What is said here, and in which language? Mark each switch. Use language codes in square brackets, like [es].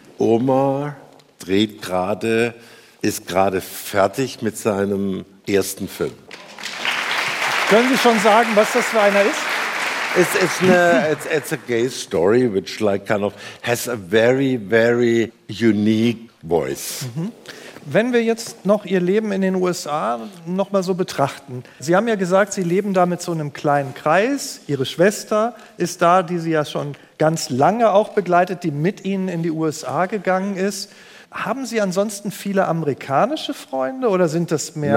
[de] Omar dreht gerade, ist gerade fertig mit seinem ersten Film. Können Sie schon sagen, was das für einer ist? [en] It's a gay story, which like kind of has a very, very unique voice. Mhm. [de] Wenn wir jetzt noch Ihr Leben in den USA noch mal so betrachten. Sie haben ja gesagt, Sie leben da mit so einem kleinen Kreis. Ihre Schwester ist da, die Sie ja schon ganz lange auch begleitet, die mit Ihnen in die USA gegangen ist. Haben Sie ansonsten viele amerikanische Freunde oder sind das mehr?